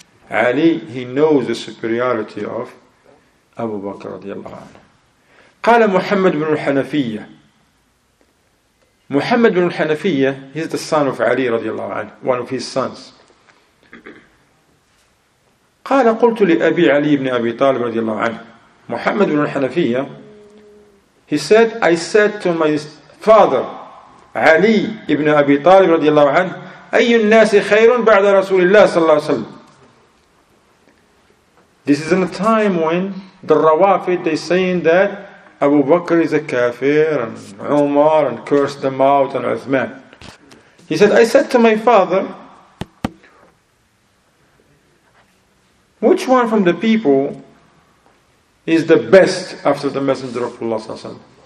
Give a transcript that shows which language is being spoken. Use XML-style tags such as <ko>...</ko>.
<en>Ali, he knows the superiority of Abu Bakr radiallahu anhu. Qala Muhammad ibn al-Hanafiyyah. Muhammad ibn al-Hanafiyyah, he's the son of Ali radiallahu anhu, one of his sons.</en> <ar>قال قلت لأبي علي بن أبي طالب رضي الله عنه محمد بن الحنفية.</ar> <en>He said, I said to my father</en> <ar>Ali ibn Abi Talib radiallahu anhu, أي الناس خير بعد رسول الله صلى الله عليه وسلم.</ar> <en>This is in a time when the Rawafid, they saying that Abu Bakr is a kafir and Umar and cursed them out and Uthman. He said, I said to my father, which one from the people is the best after the Messenger of Allah sallallahu alaihi wasallam?</en>